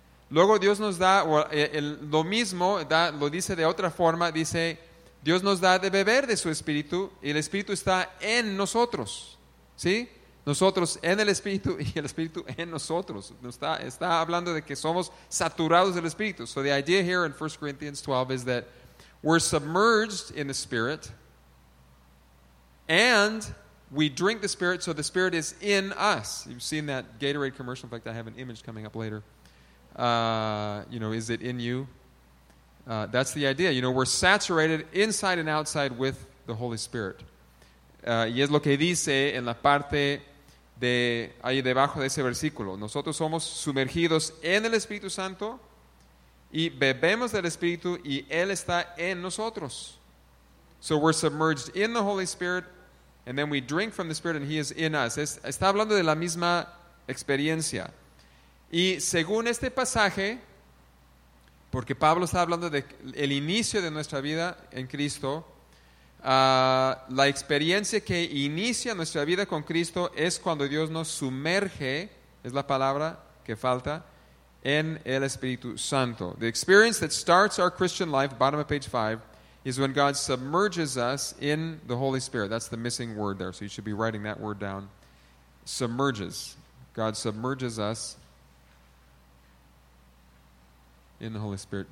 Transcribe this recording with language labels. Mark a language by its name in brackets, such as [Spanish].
[Spanish] Luego Dios nos da lo mismo, lo dice de otra forma, dice, Dios nos da de beber de su Espíritu, y el Espíritu está en nosotros. ¿Sí? Nosotros en el Espíritu y el Espíritu en nosotros. Está hablando de que somos saturados del Espíritu. [English] So the idea here in 1 Corinthians 12 is that we're submerged in the Spirit, and we drink the Spirit, so the Spirit is in us. You've seen that Gatorade commercial. In fact, I have an image coming up later. Is it in you? That's the idea. You know, we're saturated inside and outside with the Holy Spirit. [Spanish] Y es lo que dice en la parte de ahí debajo de ese versículo. Nosotros somos sumergidos en el Espíritu Santo y bebemos del Espíritu y Él está en nosotros. [English] So we're submerged in the Holy Spirit, and then we drink from the Spirit and He is in us. [Spanish] Está hablando de la misma experiencia. Y según este pasaje, porque Pablo está hablando del inicio de nuestra vida en Cristo, la experiencia que inicia nuestra vida con Cristo es cuando Dios nos sumerge, es la palabra que falta, en el Espíritu Santo. [English] The experience that starts our Christian life, bottom of page 5, is when God submerges us in the Holy Spirit. That's the missing word there, so you should be writing that word down. Submerges. God submerges us in the Holy Spirit.